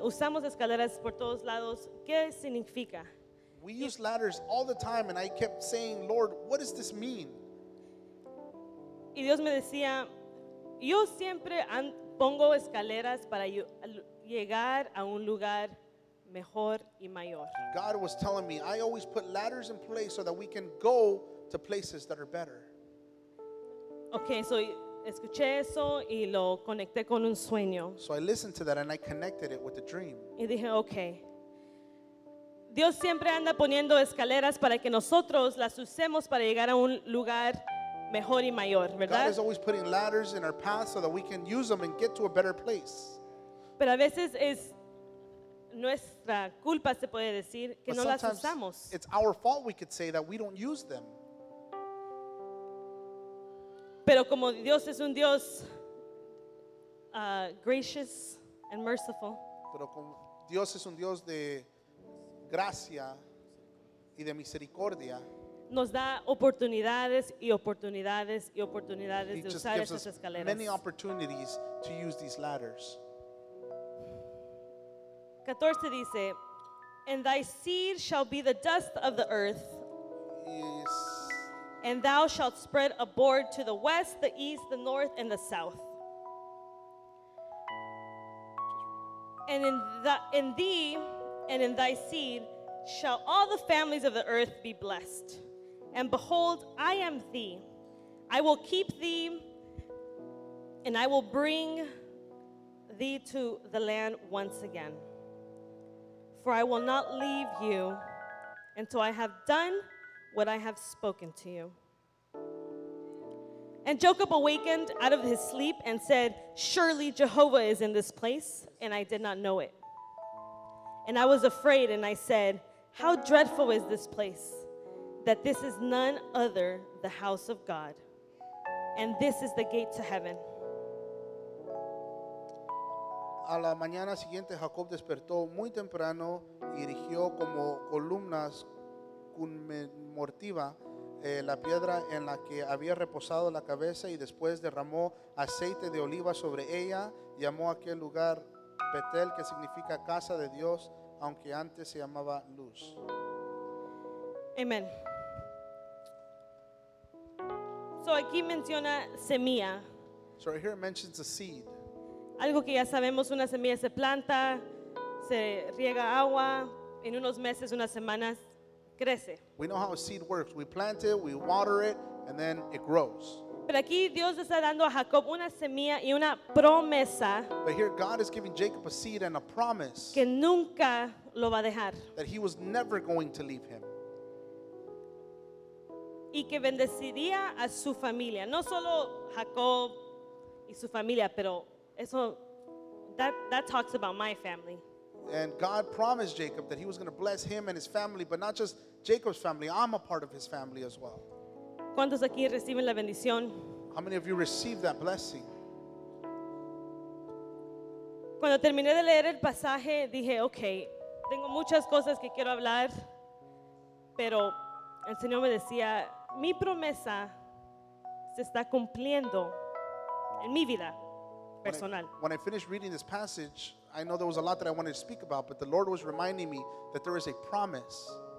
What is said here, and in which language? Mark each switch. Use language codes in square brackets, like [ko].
[es] Usamos escaleras por todos lados. ¿Qué significa? [en] We use ladders all the time, and I kept saying, Lord, what does this mean? [es] Y Dios me decía, yo siempre pongo escaleras para llegar a un lugar mejor y mayor. [en] God was telling me, I always put ladders in place so that we can go to places that are better. [es] Okay, so escuché eso y lo conecté con un sueño. [en] So I listened to that and I connected it with a dream. [es] Y dije, okay. Dios siempre anda poniendo escaleras para que nosotros las usemos para llegar a un lugar mejor y mayor, ¿verdad? [en] God is always putting ladders in our path so that we can use them and get to a better place. [es] Pero a veces es nuestra culpa, se puede decir, que no las usamos. [en] It's our fault, we could say, that we don't use them. [es] Pero como Dios es un Dios [en] gracious and merciful. [es] Pero como Dios es un Dios de gracia y de misericordia. Nos da oportunidades y oportunidades y oportunidades de usar estas escaleras. [en] Many opportunities to use these ladders. 14 dice, and thy seed shall be the dust of the earth. Yes. And thou shalt spread abroad to the west, the east, the north, and the south. And in thee and in thy seed shall all the families of the earth be blessed. And behold, I am thee. I will keep thee, and I will bring thee to the land once again. For I will not leave you until I have done what I have spoken to you. And Jacob awakened out of his sleep and said, surely Jehovah is in this place, and I did not know it. And I was afraid, and I said, how dreadful is this place, that this is none other the house of God, and this is the gate to heaven. [es] A la mañana siguiente, Jacob despertó muy temprano y erigió como columnas conmemorativa la piedra en la que había reposado la cabeza y después derramó aceite de oliva sobre ella. Llamó aquel lugar Betel, que significa casa de Dios, aunque antes se llamaba luz. Amen. So aquí menciona semilla. [en] So here it mentions a seed. [es] Algo que ya sabemos, una semilla se planta, se riega agua, en unos meses, unas semanas, crece. [en] We know how a seed works. We plant it, we water it, and then it grows. [es] Pero aquí Dios está dando a Jacob una semilla y una promesa. [en] But here God is giving Jacob a seed and a promise. [es] Que nunca lo va a dejar. [en] That he was never going to leave him. [es] Y que bendeciría a su familia. No solo Jacob y su familia, pero... [en] eso, that talks about my family. And God promised Jacob that he was going to bless him and his family, but not just Jacob's family, I'm a part of his family as well. [es] ¿Cuántos aquí reciben la bendición? [en] How many of you received that blessing? [es] Cuando terminé de leer el pasaje, dije, okay, tengo muchas cosas que quiero hablar, pero el Señor me decía, mi promesa se está cumpliendo en mi vida. [en] When I finished reading this passage, I know there was a lot that I wanted to speak about, but the Lord was reminding me that there is a promise.